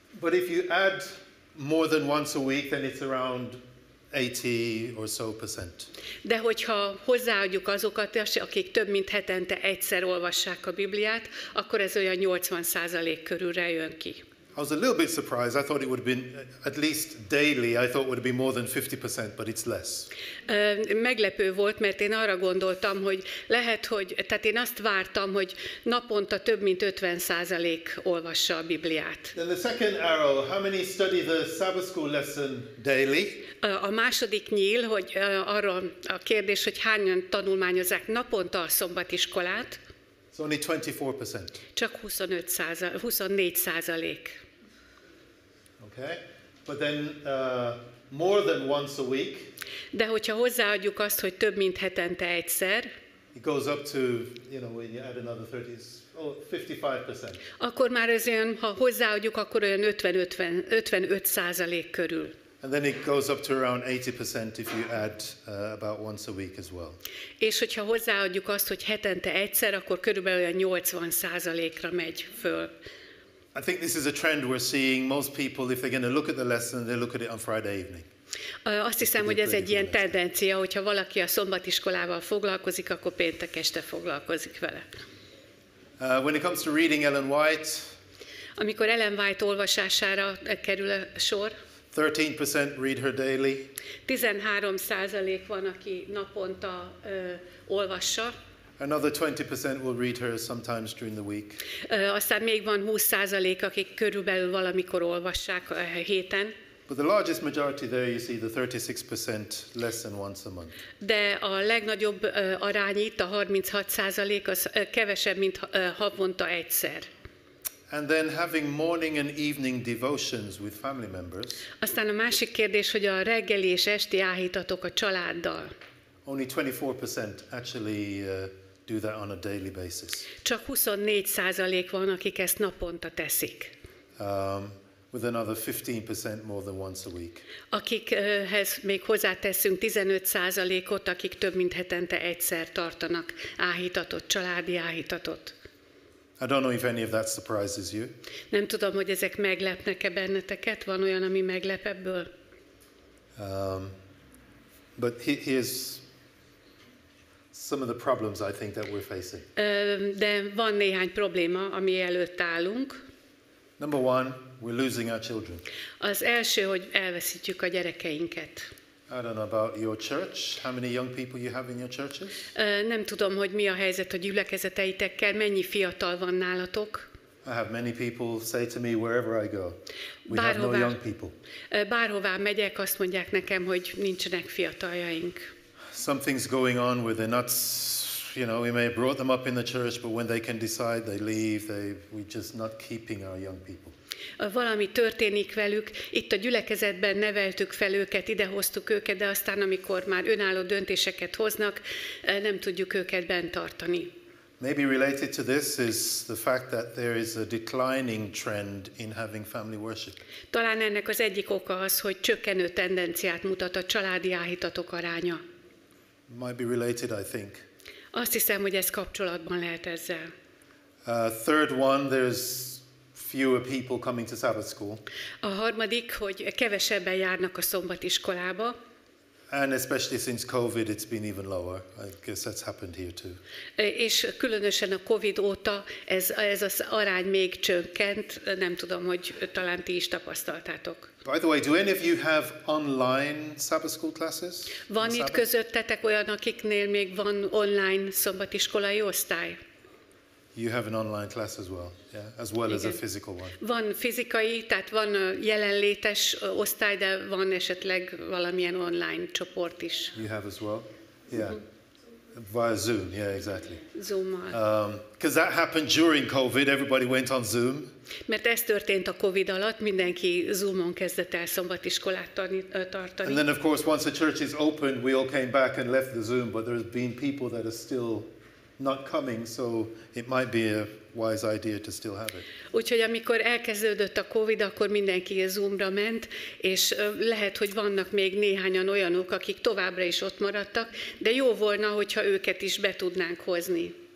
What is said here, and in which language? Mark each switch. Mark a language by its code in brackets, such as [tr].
[en] But if you add more than once a week, then it's around 80% or so. [hu] De hogyha hozzáadjuk azokat, akik több mint hetente egyszer olvassák a Bibliát, akkor ez olyan 80% körülre jön ki. [en] I was a little bit surprised. I thought it would have been at least daily. I thought it would be more than 50%, but it's less. [hu] Meglepő volt, mert én arra gondoltam, hogy lehet, hogy, tehát én azt vártam, hogy naponta több mint 50% olvassa a Bibliát. [en] Then the second arrow, how many study the Sabbath school lesson daily? [hu] A második nyíl, hogy arra a kérdés, hogy hányan tanulmányozzák naponta a szombatiskolát. [en] So only 24%. [hu] Csak 24%. [en] Okay. But then more than once a week. [hu] De hogyha hozzáadjuk azt, hogy több mint hetente egyszer. [en] It goes up to, you know, when you add another 55%. [hu] Akkor már ez olyan, ha hozzáadjuk, akkor olyan 55% körül. [en] And then it goes up to around 80% if you add about once a week as well. [hu] És hogyha hozzáadjuk azt, hogy hetente egyszer, akkor körülbelül olyan 80%-ra megy föl. [en] I think this is a trend we're seeing. Most people, if they're going to look at the lesson, they look at it on Friday evening. [hu] Azt hiszem, hogy ez egy ilyen tendencia, hogyha valaki a szombatiskolával foglalkozik, akkor péntek este foglalkozik vele. [en] When it comes to reading Ellen White. [hu] Amikor Ellen White olvasására kerül a sor. [en] 13% read her daily. [hu] 13% van, aki naponta olvassa. [en] Another 20% will read her sometimes during the week. [hu] Aztán még van 20%, akik körülbelül valamikor olvassák a héten. [en] But the largest majority there, you see, the 36% less than once a month. [hu] De a legnagyobb arány itt, a 36%, az kevesebb, mint havonta egyszer. [en] And then having morning and evening devotions with family members. [hu] Aztán a másik kérdés, hogy a reggeli és esti áhítatok a családdal. [en] Only 24% actually do that on a daily basis. [hu] Csak 24% van, akik ezt naponta teszik. [en] With another 15% more than once a week. [hu] Akikhez még hozzáteszünk 15%-ot, akik több mint hetente egyszer tartanak áhítatot, családi áhítatot. [en] I don't know if any of that surprises you. [hu] Nem tudom, hogy ezek meglepnek-e benneteket, van olyan, ami meglep ebből? [en] But here's some of the problems I think that we're facing. [hu] De van néhány probléma, ami előtt állunk. [en] Number one, we're losing our children. [hu] Az első, hogy elveszítjük a gyerekeinket. [en] I don't know about your church. How many young people you have in your churches? [hu] Nem tudom, hogy mi a helyzet a gyülekezeteitekkel, mennyi fiatal van nálatok. [en] I have many people say to me wherever I go. We [hu] bárhová, [en] have no young people. [hu] Bárhová megyek, azt mondják nekem, hogy nincsenek fiataljaink. [en] Something's going on with the nuts. You know, we may have brought them up in the church, but when they can decide, they leave. We're just not keeping our young people. [hu] Valami történik velük. Itt a gyülekezetben neveltük fel őket, idehoztuk őket, de aztán, amikor már önálló döntéseket hoznak, nem tudjuk őket bent tartani. [en] Maybe related to this is the fact that there is a declining trend in having family worship. [hu] Talán ennek az egyik oka az, hogy csökkenő tendenciát mutat a családi áhítatok aránya. [en] Might be related, I think. [hu] Azt hiszem, hogy ez kapcsolatban lehet ezzel. [en] Third one, there's fewer people coming to Sabbath school. [hu] A harmadik, hogy kevesebben járnak a szombatiskolába. [en] And especially since COVID, it's been even lower. I guess that's happened here too. [hu] És különösen a COVID óta ez az arány még csökkent. Nem tudom, hogy talán ti is tapasztaltátok. [en] By the way, do any of you have online Sabbath school classes? [hu] Van itt közöttetek olyan, akiknél még van online szombatiskolai osztály? [en] You have an online class as well, yeah? As well as a physical one. [hu] Van fizikai, tehát van jelenlétes osztály, de van esetleg valamilyen online csoport is. [en] You have as well? Yeah. Via Zoom, yeah, exactly. [hu] Zoom-mal. [en] Because that happened during COVID, everybody went on Zoom. [hu] Mert ez történt a COVID alatt, mindenki Zoom-on kezdett el szombatiskolát tartani. [en] And then of course, once the church is open, we all came back and left the Zoom, but there's been people that are still not coming, so it might be a wise idea to still have it. [hu] Úgyhogy amikor elkezdődött a COVID, akkor mindenki a Zoom-ra ment, és lehet, hogy vannak még néhányan olyanok, akik továbbra is ott maradtak, de jó volna, hogyha őket is be tudnánk hozni.